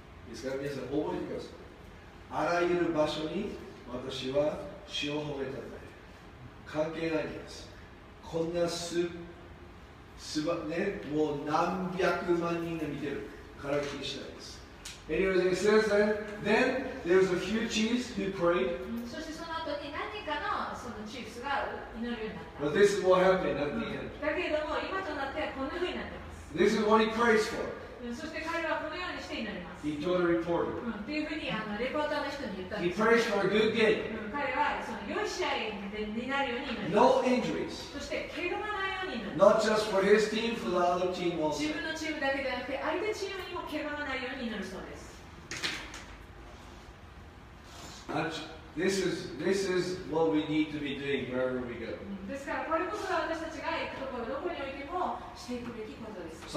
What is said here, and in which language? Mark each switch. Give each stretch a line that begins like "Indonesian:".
Japanese: ですから皆さん覚えてください。あらゆる場所に私は主を褒め称える。関係ないです。こんなね、もう何百万人が見てるから気にしないです。
English: Anyways, it says that then there's a few chiefs who prayed.
Japanese: そしてその後に何かのそのチーフスが祈るようになった。
English: But this is what happened at the end.
Japanese: だけれども今となってはこんな風になってます。
English: This is what he prays for.
Japanese: そして彼はこのようにして祈ります。
English: He told the reporter.
Japanese: っていうふうにレポーターの人に言ったんです。
English: He prays for a good game.
Japanese: 彼はその良い試合になるように祈ります。
English: No injuries.
Japanese: そして怪我がない。
English: Not just for his team, for the other team also.
Japanese: 自分のチームだけではなくて、相手チームにも怪我がないように祈るそうです。
English: This is what we need to be doing wherever we go.
Japanese: ですから、これこそが私たちが行くところ、どこに置いてもしていくべきことです。